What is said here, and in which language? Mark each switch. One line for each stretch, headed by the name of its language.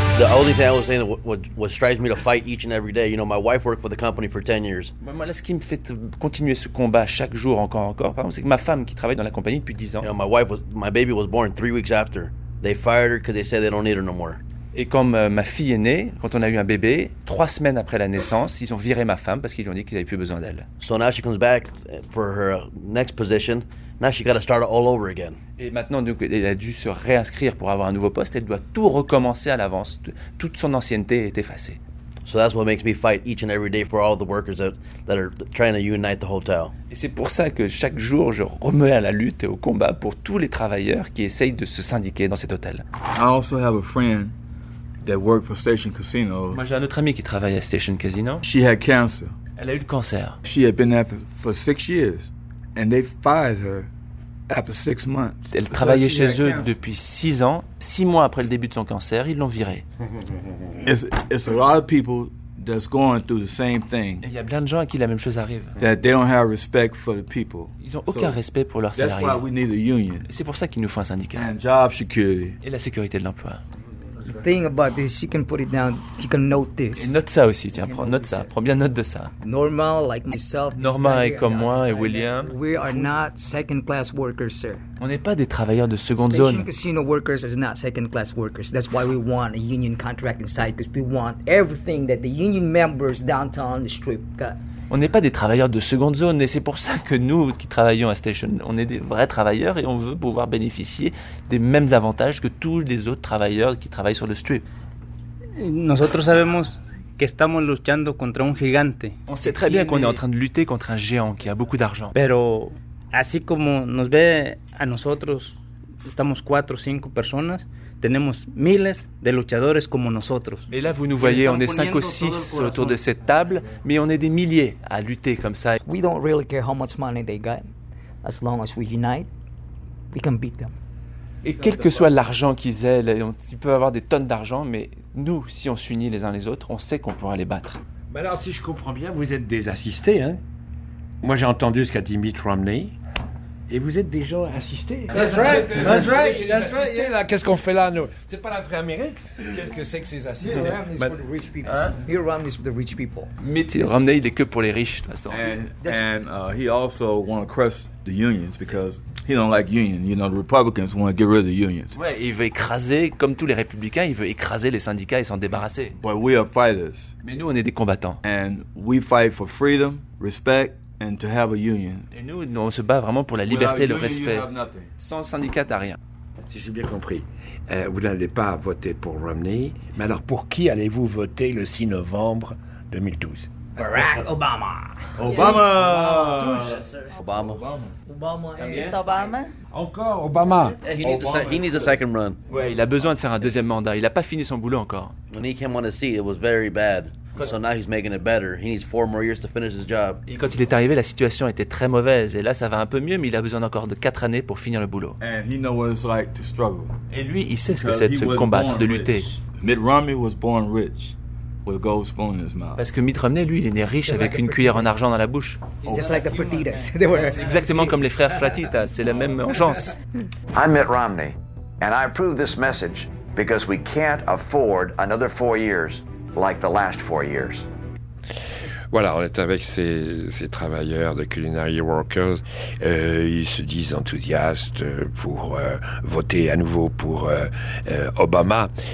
English: The only thing I was saying what strives me to fight each and every day, you know, my wife worked for the company for 10 years.
French: Moi, là, ce qui me fait continuer ce combat chaque jour encore, pardon, c'est que ma femme qui travaille dans la compagnie depuis 10 ans.
English: You know, my baby was born 3 weeks after. They fired her because they said they don't need her no more.
French: Et comme ma fille est née, quand on a eu un bébé, 3 semaines après la naissance, ils ont viré ma femme parce qu'ils lui ont dit qu'ils n'avaient plus besoin d'elle.
English: So now she comes back for her next position. Now she got to start all over again.
French: Et maintenant, donc, elle a dû se réinscrire pour avoir un nouveau poste. Elle doit tout recommencer à l'avance. Toute son ancienneté est effacée.
English: So that's what makes me fight each and every day for all the workers that are trying to unite the hotel.
French: Et c'est pour ça que chaque jour je remets à la lutte et au combat pour tous les travailleurs qui essayent de se syndiquer dans cet hôtel.
English: I also have a friend that work for Station Casino.
French: Moi, j'ai un autre ami qui travaille à Station Casino.
English: She had cancer.
French: Elle a eu le cancer.
English: She had been there for 6 years, and they fired her after 6 months.
French: Elle travaillait chez eux depuis 6 ans. 6 mois après le début de son cancer, ils l'ont virée.
English: It's a lot of people that's going through the same thing.
French: Il y a plein de gens à qui la même chose arrive.
English: That they don't have respect for the people.
French: Ils ont aucun respect pour leurs salariés.
English: That's why we need a union.
French: C'est pour ça qu'il nous faut un syndicat.
English: And job security.
French: Et la sécurité de l'emploi.
English: The thing about this, you can put it down. You can note this.
French: Et note ça aussi, tiens, prends note ça. Prends bien note de ça.
English: Normal, like myself.
French: Norma et comme moi et William.
English: We are not second class workers, sir.
French: On n'est pas des travailleurs de seconde
English: Station
French: zone.
English: Station casino workers are not second class workers. That's why we want a union contract inside, because we want everything that the union members downtown the strip got.
French: On n'est pas des travailleurs de seconde zone, et c'est pour ça que nous, qui travaillons à Station, on est des vrais travailleurs et on veut pouvoir bénéficier des mêmes avantages que tous les autres travailleurs qui travaillent sur le strip.
Spanish: Nosotros sabemos que estamos luchando contra un gigante.
French: On sait très bien qu'on est en train de lutter contre un géant qui a beaucoup d'argent.
Spanish: Pero así como nos ve a nosotros, estamos 4 ou 5 personas. Tenemos miles de luchadores como nosotros.
French: Et là, vous nous voyez, on est 5 ou 6 autour de cette table, mais on est des milliers à lutter comme ça.
English: We don't really care how much money they got. As long as we unite, we can beat them.
French: Et quel que soit l'argent qu'ils aient, ils peuvent avoir des tonnes d'argent, mais nous, si on s'unit les uns les autres, on sait qu'on pourra les battre. Mais alors, si je comprends bien, vous êtes des assistés, hein? Moi, j'ai entendu ce qu'a dit Mitt Romney. Et vous êtes des gens assistés.
English: That's right.
French: Qu'est-ce qu'on fait là, nous? C'est pas la vraie Amérique. Qu'est-ce que c'est que ces assistés?
English: Mitt Romney is for the rich people. Mitt Romney is for the rich people.
French: Mitt Romney, il est que pour les riches, de toute façon.
English: And he also want to crush the unions because he don't like unions. You know, the Republicans want to get rid of the unions.
French: Ouais, il veut écraser, comme tous les républicains, il veut écraser les syndicats et s'en débarrasser.
English: But we are fighters.
French: Mais nous, on est des combattants.
English: And we fight for freedom, respect. And to have a union.
French: Et nous, on se bat vraiment pour la liberté, le respect. Sans syndicat, t'as rien. Si j'ai bien compris, vous n'allez pas voter pour Romney. Mais alors, pour qui allez-vous voter le 6 novembre 2012? Barack Obama. Obama. Obama. Obama. Encore Obama.
English: He needs a second run.
French: Ouais, il a besoin de faire un deuxième mandat. Il n'a pas fini son boulot encore.
English: When he came on the seat, it was very bad. So now he's making it better. He needs 4 more years to finish his job.
French: Et quand il est arrivé, la situation était très mauvaise. Et là, ça va un peu mieux, mais il a besoin encore de 4 années pour finir le boulot.
English: And he knows what it's like to struggle.
French: Et lui, il sait ce que c'est de se combattre, de lutter.
English: Mitt Romney was born rich with a gold spoon in his mouth.
French: Parce que Mitt Romney, lui, il est né riche avec une cuillère en argent dans la bouche.
English: Just like the Flatitas. They were
French: exactement comme les frères Flatitas. C'est la même engeance.
English: I'm Mitt Romney, and I approve this message because we can't afford another 4 years. Like the last 4 years.
French: Voilà, on est avec ces travailleurs de Culinary Workers. Ils se disent enthousiastes pour voter à nouveau pour Obama.